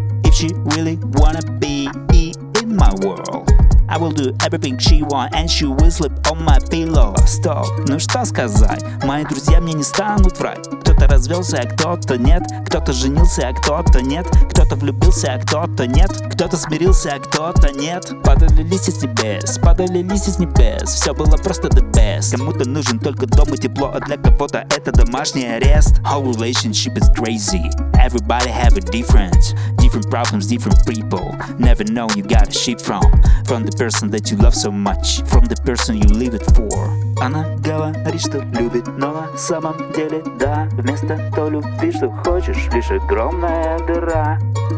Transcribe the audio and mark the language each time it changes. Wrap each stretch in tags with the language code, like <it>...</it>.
<en>If she really wanna be in my world, I will do everything she want, and she will sleep on my pillow.</en> <ru>Стоп, ну что сказать? Мои друзья мне не станут врать. Кто-то развелся, а кто-то нет. Кто-то женился, а кто-то нет. Кто-то влюбился, а кто-то нет. Кто-то смирился, а кто-то нет. Падали листья с небес, падали листья с небес. Все было просто</ru> <en>the best.</en> <ru>Кому-то нужен только дом и тепло, а для кого-то это домашний арест.</ru> <en>Whole relationship is crazy. Everybody have a difference. Different problems, different people. Never know you got a shit from the person that you love so much, from the person you leave it for.</en> <ru>Она говорит, что любит, но на самом деле да. Вместо той любви, что хочешь, лишь огромная дыра.</ru>